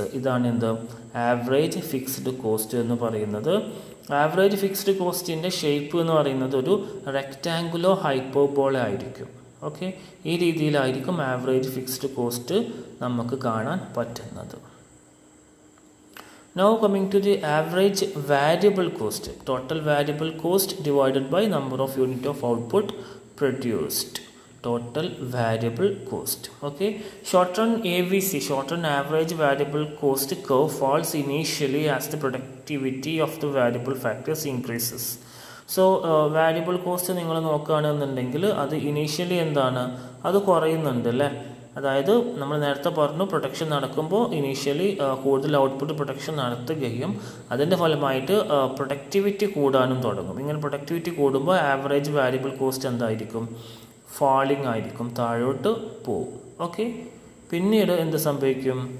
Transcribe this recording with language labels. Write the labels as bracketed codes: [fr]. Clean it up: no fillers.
[ml] ഇതാണ് എന്ത് average fixed cost എന്ന് പറയുന്നത്. ആവറേജ് ഫിക്സ്ഡ് കോസ്റ്റിൻ്റെ ഷേപ്പ് എന്ന് പറയുന്നത് ഒരു റെക്റ്റാങ്കുലർ ഹൈപ്പർബോള ആയിരിക്കും. ഓക്കെ, ഈ രീതിയിലായിരിക്കും ആവറേജ് ഫിക്സ്ഡ് കോസ്റ്റ് നമുക്ക് കാണാൻ പറ്റുന്നത്. [en] Now coming to the average variable cost, total variable cost divided by number of unit of output produced. Total variable cost. Okay, short-run AVC, short-run average variable cost curve, falls initially as the productivity of the variable factors increases. [ml] So variable cost നിങ്ങൾ നോക്കുകയാണെന്നുണ്ടെങ്കിൽ അത് initially എന്താണ് അത് കുറയുന്നുണ്ട് അല്ലേ അതായത് നമ്മൾ നേരത്തെ പറഞ്ഞു പ്രൊഡക്ഷൻ നടക്കുമ്പോൾ ഇനീഷ്യലി കൂടുതൽ ഔട്ട്പുട്ട് പ്രൊഡക്ഷൻ നടത്തുകയും അതിൻ്റെ ഫലമായിട്ട് പ്രൊഡക്ടിവിറ്റി കൂടാനും തുടങ്ങും ഇങ്ങനെ പ്രൊഡക്ടിവിറ്റി കൂടുമ്പോൾ ആവറേജ് വാല്യബിൾ കോസ്റ്റ് എന്തായിരിക്കും ഫാളിംഗ് ആയിരിക്കും താഴോട്ട് പോവും ഓക്കെ പിന്നീട് എന്ത് സംഭവിക്കും